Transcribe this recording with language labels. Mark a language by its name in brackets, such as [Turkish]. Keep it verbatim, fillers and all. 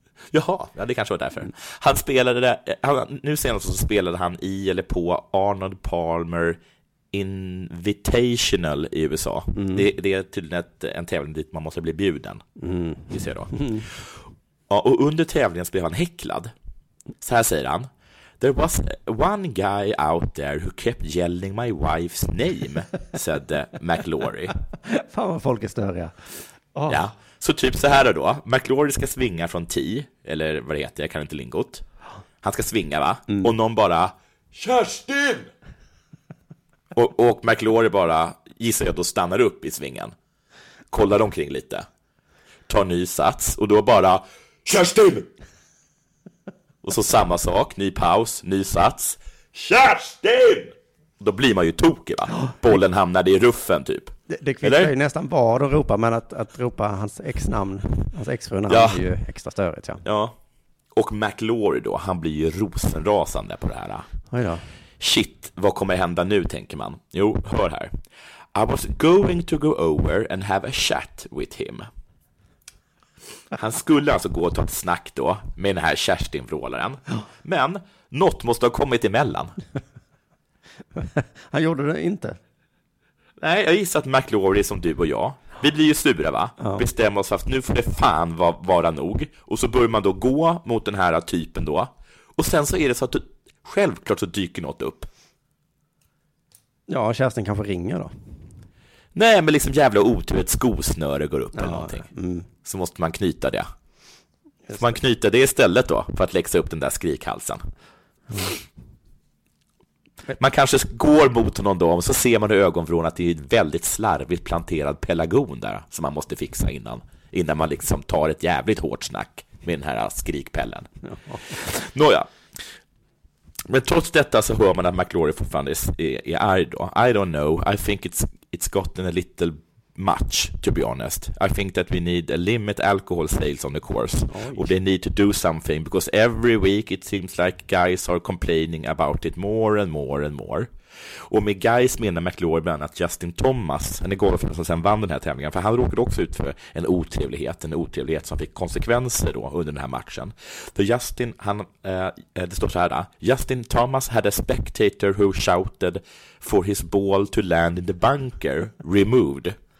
[Swedish] Jaha, ja, det kanske var därför. Han spelade där, han, nu senast så spelade han i eller på Arnold Palmer Invitational i U S A. Mm. Det, det är tydligen ett, en tävling dit man måste bli bjuden. Mm. Vi ser då. Mm. Ja, och under tävlingen blev han häcklad. Så här säger han: [English] "There was one guy out there who kept yelling my wife's name", said McIlroy. [Swedish] Fan vad folk är störiga. Oh. Ja, så typ så här då. McIlroy ska svinga från tio, eller vad det heter, jag kan inte lingot. Han ska svinga, va? Mm. Och någon bara Kerstin! och, och McIlroy bara, gissar jag, då stannar upp i svingen. Kollar omkring lite. Tar ny sats och då bara Kerstin! Och så samma sak, ny paus, ny sats. Kerstin! Då blir man ju tokig, va? Bollen hamnade i ruffen typ. Det, det kvittar ju nästan var att ropa, men att, att ropa hans ex-namn, hans ex-frunamn, ja. Är ju extra störigt. Ja. ja. Och McIlroy då, han blir ju rosenrasande på det här. Oj då. Shit, vad kommer hända nu, tänker man. Jo, hör här. [English] I was going to go over and have a chat with him. [Swedish] Han skulle alltså gå och ta ett snack då med den här Kerstin-vrålaren. Men något måste ha kommit emellan. Han gjorde det inte. Nej, jag gissar att McLaurie är som du och jag. Vi blir ju sura, va? Ja. Bestämmer oss för att nu får det fan vara, vara nog. Och så börjar man då gå mot den här typen då. Och sen så är det så att du, självklart så dyker något upp. Ja, Kerstin kanske ringer då. Nej, men liksom jävla otur, ett skosnöre går upp ja, eller någonting. Mm. Så måste man knyta det. Får man knyta det istället då för att läxa upp den där skrikhalsen. Mm. Man kanske går mot honom då, och så ser man i ögonvrån att det är ett väldigt slarvigt planterad pelargon där som man måste fixa innan innan man liksom tar ett jävligt hårt snack med den här skrikpellen. Ja. Nåja. Men trots detta så hör man att McLaurie fortfarande är, är arg då. [English] I don't know. I think it's it's gotten a little much, to be honest. I think that we need a limit alcohol sales on the course. [Swedish] Oj. Och [English] they need to do something because every week it seems like guys are complaining about it more and more and more. [Swedish] Och med guys menar McLaurie bland annat Justin Thomas, en golfare som sen vann den här tävlingen, för han råkade också ut för en otrevlighet, en otrevlighet som fick konsekvenser då under den här matchen. För Justin, han, eh, det står så här då, [English] Justin Thomas had a spectator who shouted for his ball to land in the bunker, removed.